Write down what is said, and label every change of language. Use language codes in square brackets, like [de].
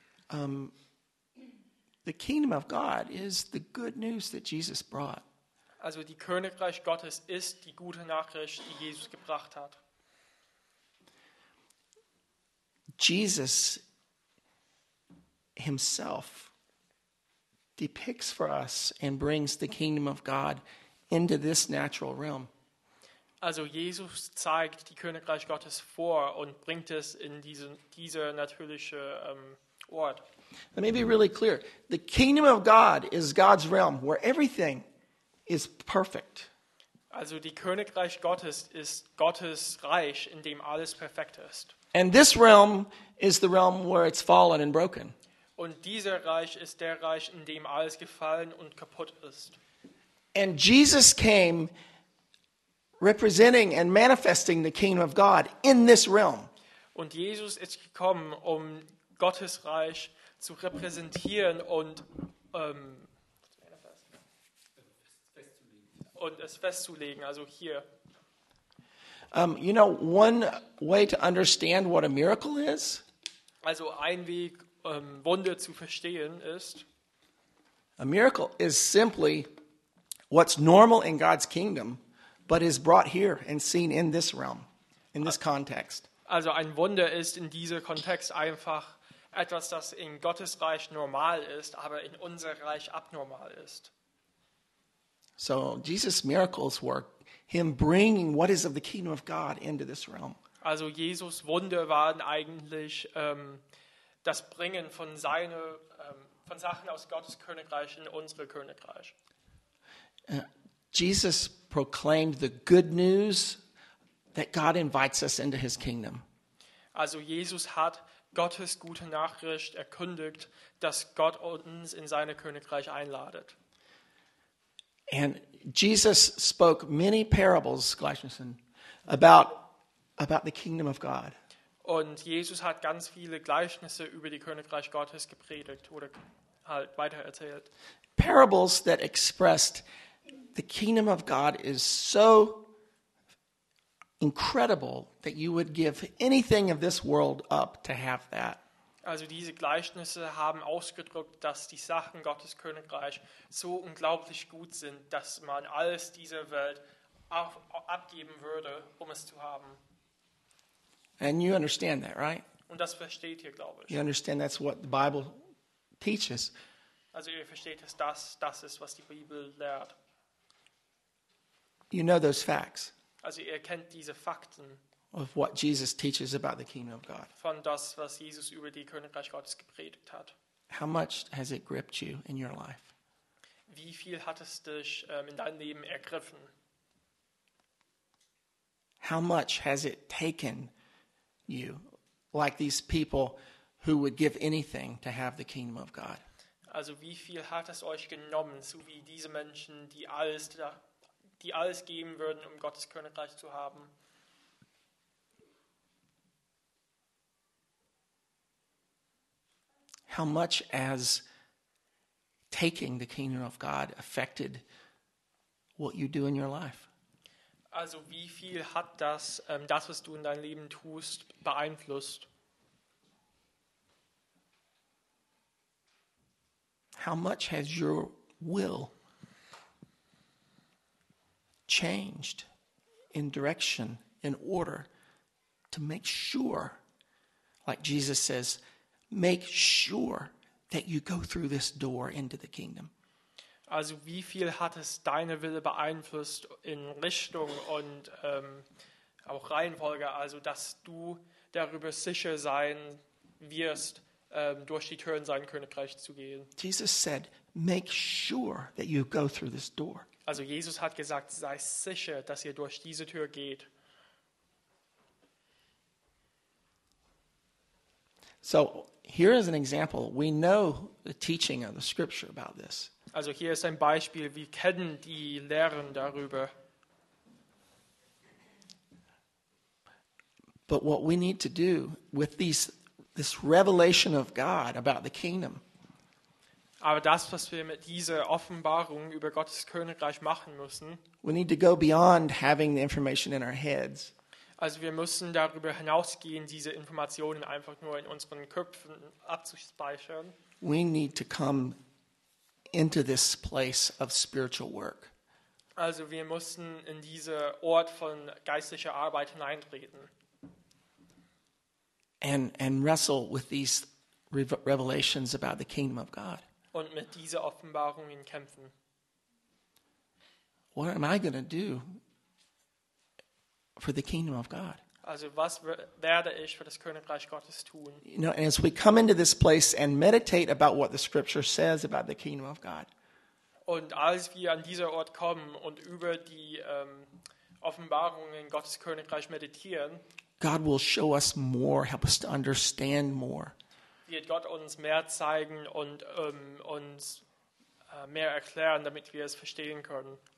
[en] The kingdom of God is the good news that Jesus brought. [de] Also die Königreich Gottes ist die gute Nachricht, die Jesus gebracht hat. [en] Jesus himself depicts for us and brings the kingdom of God into this natural realm. [de] Also Jesus zeigt die Königreich Gottes vor und bringt es in diese natürliche Ort. [en] Let me be really clear. The kingdom of God is God's realm where everything is perfect. [de] Also die Königreich Gottes ist Gottes Reich, in dem alles perfekt ist. [en] And this realm is the realm where it's fallen and broken. [de] Und dieser Reich ist der Reich, in dem alles gefallen und kaputt ist. [en] And Jesus came representing and manifesting the kingdom of God in this realm. [de] Und Jesus ist gekommen, um Gottes Reich zu repräsentieren und es festzulegen, also hier. [en] You know, one way to understand what a miracle is. [de] Also ein Weg, Wunder zu verstehen ist. [en] A miracle is simply what's normal in God's kingdom, but is brought here and seen in this realm, in this context. [de] Also ein Wunder ist in diesem Kontext einfach etwas, das in Gottes Reich normal ist, aber in unser Reich abnormal ist. [en] So Jesus' miracles were him bringing what is of the kingdom of God into this realm. [de] Also Jesus' Wunder waren eigentlich das Bringen von seine von Sachen aus Gottes Königreich in unsere Königreich. [en] Jesus proclaimed the good news that God invites us into his kingdom. [de] Also Jesus hat Gottes gute Nachricht erkündigt, dass Gott uns in seine Königreich einladet. [en] And Jesus spoke many parables, Gleichnissen, about the kingdom of God. [de] Und Jesus hat ganz viele Gleichnisse über die Königreich Gottes gepredigt oder halt weitererzählt. [en] Parables that expressed the kingdom of God is so incredible that you would give anything of this world up to have that. [de] Also diese Gleichnisse haben ausgedrückt, dass die Sachen Gottes Königreich so unglaublich gut sind, dass man alles dieser Welt abgeben würde, um es zu haben. [en] And you understand that, right? [de] Und das versteht ihr, glaube ich. [en] You understand that's what the Bible teaches. [de] Also ihr versteht, dass das ist, was die Bibel lehrt. [en] You know those facts. [de] Also ihr kennt diese Fakten [en] of what Jesus teaches about the kingdom of God. [de] Von das, was Jesus über die Königreich Gottes gepredigt hat. [en] How much has it gripped you in your life? [de] Wie viel hat es dich in deinem Leben ergriffen? [en] How much has it taken you, like these people who would give anything to have the kingdom of God? [de] Also wie viel hat es euch genommen, so wie diese Menschen, die alles geben würden, um Gottes Königreich zu haben. [en] How much has taking the kingdom of God affected what you do in your life? [de] Also wie viel hat das, das, was du in deinem Leben tust, beeinflusst? [en] How much has your will changed in direction, in order to make sure, like Jesus says, make sure that you go through this door into the kingdom. [de] Also wie viel hat es deine Wille beeinflusst in Richtung und auch Reihenfolge, also dass du darüber sicher sein wirst, durch die Türen sein Königreich zu gehen. [en] Jesus said, make sure that you go through this door. [de] Also Jesus hat gesagt, sei sicher, dass ihr durch diese Tür geht. [en] So, here is an example. We know the teaching of the scripture about this. [de] Also hier ist ein Beispiel, wir kennen die Lehren darüber. [en] But what we need to do with this revelation of God about the kingdom. [de] Aber das, was wir mit dieser Offenbarung über Gottes Königreich machen müssen, [en] we need to go beyond having the information in our heads. [de] Also wir müssen darüber hinausgehen, diese Informationen einfach nur in unseren Köpfen abzuspeichern. [en] We need to come into this place of spiritual work. [de] Also wir müssen in diesen Ort von geistlicher Arbeit hineintreten. [en] And wrestle with these revelations about the kingdom of God. [de] Und mit dieser Offenbarung in kämpfen. [en] What am I going to do for the kingdom of God? [de] Also was werde ich für das Königreich Gottes tun? [en] You know, as we come into this place and meditate about what the scripture says about the kingdom of God. [de] Und als wir an dieser Ort kommen und über die Offenbarungen Gottes Königreich meditieren, [en] God will show us more, help us to understand more. [de] Wird Gott uns mehr zeigen und uns mehr erklären, damit wir es verstehen können.